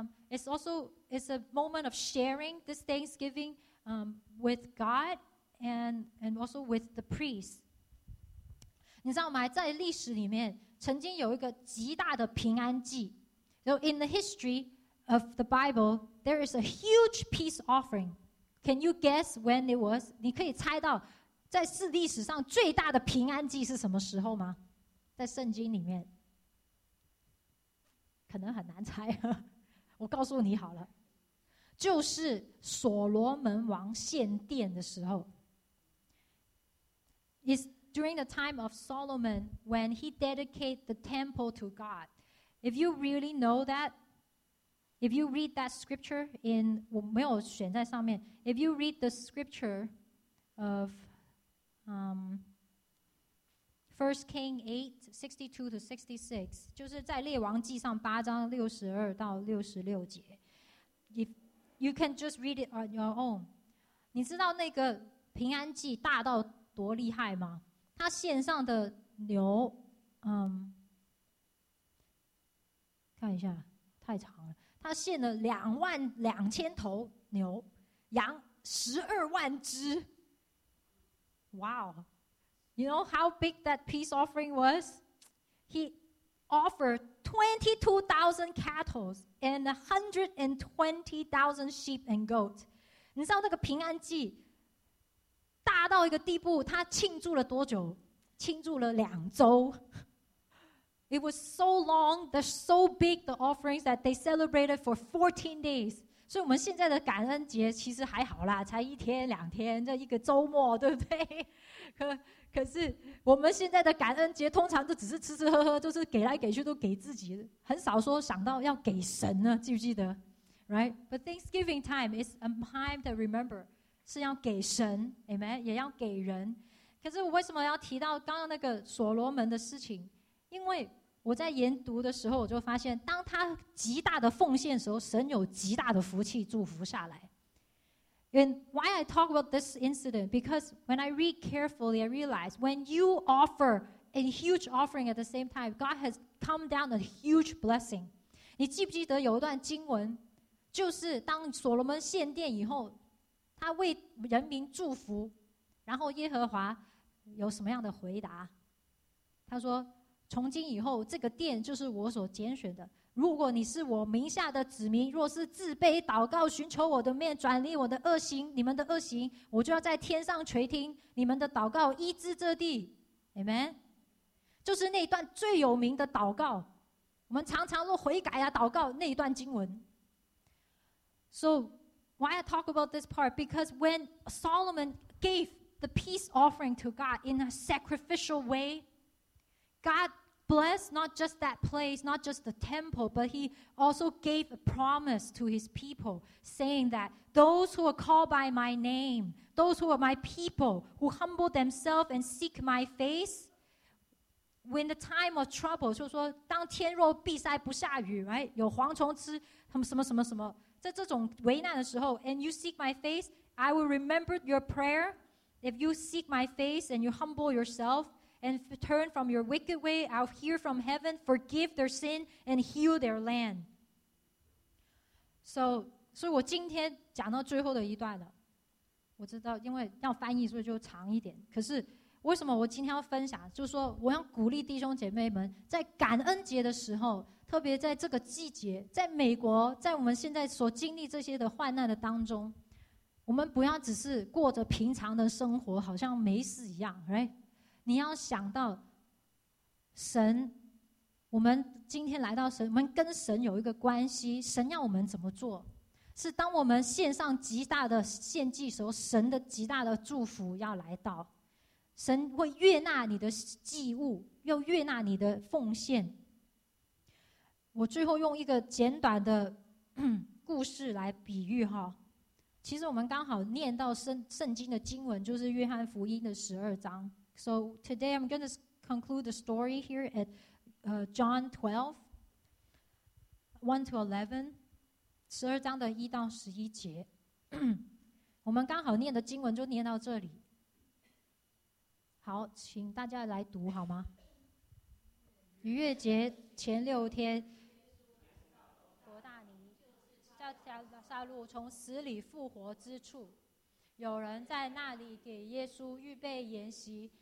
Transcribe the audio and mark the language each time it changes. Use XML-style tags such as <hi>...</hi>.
<en>It's a moment of sharing this thanksgiving with God and also with the priest.</en> <zh>你知道吗？在历史里面，曾经有一个极大的平安祭。</zh> <en>So in the history of the Bible, there is a huge peace offering.Can you guess when it was?</en> <zh>你可以猜到在世历史上最大的平安祭是什么时候吗？在圣经里面可能很难猜，我告诉你好了，就是所罗门王献殿的时候。</zh> <en>It's during the time of Solomon when he dedicated the temple to God. If you really know that, if you read that scripture in,</en> <zh>我没有选在上面，</zh> <en>if you read the scripture of 1 King 8:62-66,</en> <zh>就是在列王记上8:62-66节。</zh> <en>If you can just read it on your own.</en> <zh>你知道那个平安祭大到多厉害吗？他献上的牛，看一下，太长了。他献了22,000头牛，羊120,000只。</zh> <en>Wow. You know how big that peace offering was? He offered 22,000 cattle and 120,000 sheep and goats.</en> <zh>你知道那个平安祭大到一个地步，他庆祝了多久？庆祝了2周。</zh> <en>It was so long, they're so big, the offerings, that they celebrated for 14 days.</en> <zh>所以我们现在的感恩节其实还好啦，才一天两天，这一个周末，对不对？可是我们现在的感恩节通常就只是吃吃喝喝，就是给来给去都给自己，很少说想到要给神呢，记不记得？</zh> <en>Right? But Thanksgiving time is a time to remember.</en> <zh>是要给神， Amen? 也要给人。可是我为什么要提到刚刚那个所罗门的事情？因为我在研读的时候，我就发现，当他极大的奉献的时候，神有极大的福气祝福下来。</zh> <en>And why I talk about this incident? Because when I read carefully, I realize when you offer a huge offering at the same time, God has come down a huge blessing.</en> <zh>你记不记得有一段经文，就是当所罗门献殿以后，他为人民祝福，然后耶和华有什么样的回答？他说：“从今以后，这个殿就是我所拣选的。如果你是我名下的子民，若是自卑祷告，寻求我的面，转离我的恶行，你们的恶行，我就要在天上垂听你们的祷告，医治这地。”</zh> <en>Amen.</en> <zh>就是那一段最有名的祷告。我们常常说悔改啊，祷告那一段经文。</zh> <en>So why I talk about this part? Because when Solomon gave the peace offering to God in a sacrificial way, God blessed not just that place, not just the temple, but he also gave a promise to his people, saying that those who are called by my name, those who are my people, who humble themselves and seek my face, when the time of trouble,</en> <zh>就是说当天若闭塞不下雨、</zh> <en>right?</en> <zh>有蝗虫吃什么什么什么什么，在这种危难的时候，</zh> <en>and you seek my face, I will remember your prayer. If you seek my face and you humble yourself and turn from your wicked way, I'll hear from heaven, forgive their sin, and heal their land.</en> <zh>So 我今天讲到最后的一段了。我知道因为要翻译所以就长一点。可是为什么我今天要分享，就是说我要鼓励弟兄姐妹们在感恩节的时候，特别在这个季节，在美国，在我们现在所经历这些的患难的当中，我们不要只是过着平常的生活，好像没事一样、</zh> <en>right?</en> <zh>你要想到神，我们今天来到神，我们跟神有一个关系，神要我们怎么做，是当我们献上极大的献祭时候，神的极大的祝福要来到，神会悦纳你的祭物，又悦纳你的奉献。我最后用一个简短的故事来比喻哈。其实我们刚好念到圣经的经文，就是约翰福音的12章。</zh> <en>So today I'm going to conclude the story here at John 12:1-11,</en> <zh>12章1-11节。我们刚好念的经文就念到这里。好，请大家来读好吗？逾越节前六天。撒路从死里复活之处，有人在那里给耶稣预备筵席。</zh>